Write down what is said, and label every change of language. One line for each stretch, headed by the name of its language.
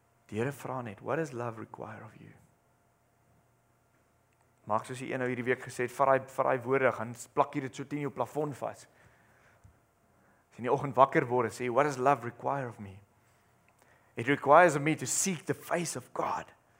Afrikaans: Die Here vra net,
English: what does love require of you?
Afrikaans: Maak soos die een nou hierdie week gesê het, vir hy woorde, gaan plak hier dit so teen jou plafon vas. In die oggend wakker word en sê,
English: what does love require of me? It requires of me to seek the face of God.